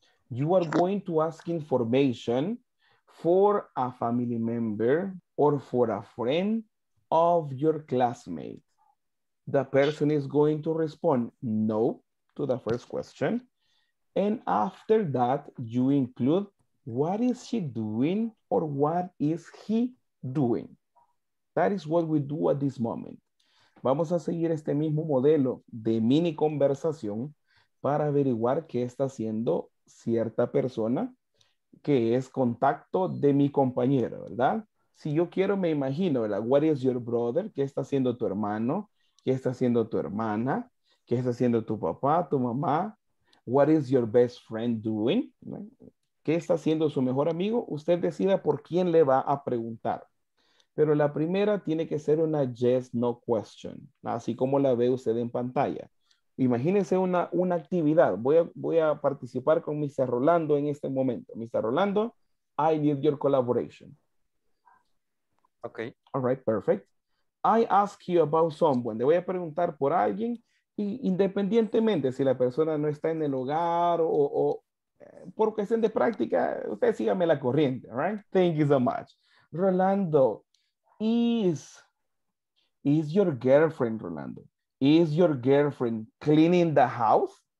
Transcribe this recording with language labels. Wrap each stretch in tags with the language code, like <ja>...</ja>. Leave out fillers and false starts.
<en>You are going to ask information for a family member or for a friend of your classmate. The person is going to respond no to the first question. And after that, you include what is she doing or what is he doing? That is what we do at this moment.</en> <es>Vamos a seguir este mismo modelo de mini conversación para averiguar qué está haciendo cierta persona que es contacto de mi compañero, ¿verdad? Si yo quiero, me imagino, ¿verdad?</es> <en>What is your brother?</en> <es>¿Qué está haciendo tu hermano? ¿Qué está haciendo tu hermana? ¿Qué está haciendo tu papá, tu mamá?</es> <en>What is your best friend doing?</en> <es>¿Qué está haciendo su mejor amigo? Usted decida por quién le va a preguntar. Pero la primera tiene que ser una</es> <en>yes, no question.</en> <es>Así como la ve usted en pantalla. Imagínese una actividad. Voy a participar con Mr. Rolando en este momento. Mr.</es> <en>Rolando, I need your collaboration. Okay. All right, perfect. I ask you about someone.</en> <es>Le voy a preguntar por alguien y independientemente si la persona no está en el hogar o por cuestión de práctica, usted sígame la corriente,</es> <en>right? Thank you so much. Rolando, is your girlfriend, Rolando, is your girlfriend cleaning the house?</en>